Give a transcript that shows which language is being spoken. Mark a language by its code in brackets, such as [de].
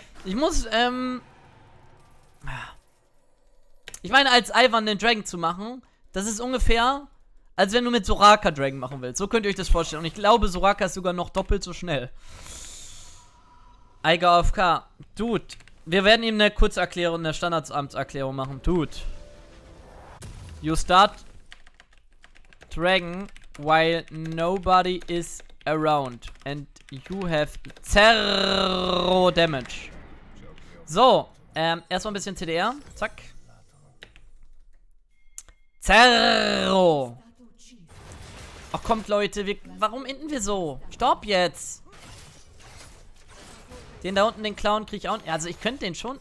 [de] Ich muss, ich meine, als Ivan den Dragon zu machen, das ist ungefähr, als wenn du mit Soraka Dragon machen willst. So könnt ihr euch das vorstellen. Und ich glaube, Soraka ist sogar noch doppelt so schnell. Aiga AFK. Dude, wir werden ihm eine Kurzerklärung, eine Standardsamtserklärung machen. [en] Dude. You start Dragon while nobody is around. And you have zero damage. [de] So, erstmal ein bisschen CDR. Zack. Zero. Ach kommt Leute, warum enden wir so? Stopp jetzt. Den da unten, den Clown, kriege ich auch. Also ich könnte den schon.